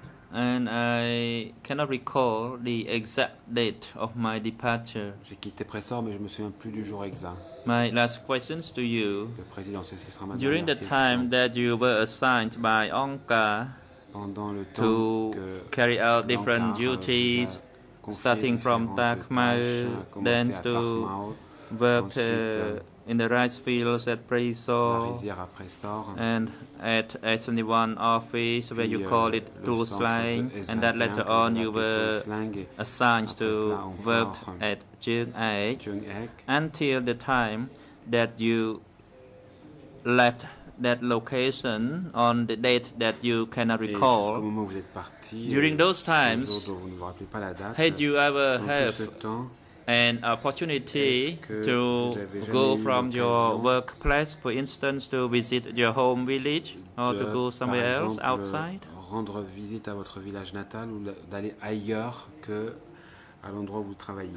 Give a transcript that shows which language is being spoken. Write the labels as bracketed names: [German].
[English] And I cannot recall the exact date of my departure. [French] J'ai quitté Pressor, mais je me souviens plus du jour exact. [English] My last questions to you. [French] Le président, ce sera ma [English] During the [French] question. [English] Time that you were assigned by Onka. [French] Pendant le temps [English] to carry out different duties, starting from Takmao, then to work in the rice fields at Pressor, and at S21 office, where you call it Tools Slang, and that later on you were assigned to work at Chuun Ek, until the time that you left that location on the date that you cannot recall. During those times, had you ever had an opportunity to go from your workplace, for instance, to visit your home village or to go somewhere else outside? [French] Rendre visite à votre village natal ou d'aller ailleurs que à l'endroit où vous travaillez.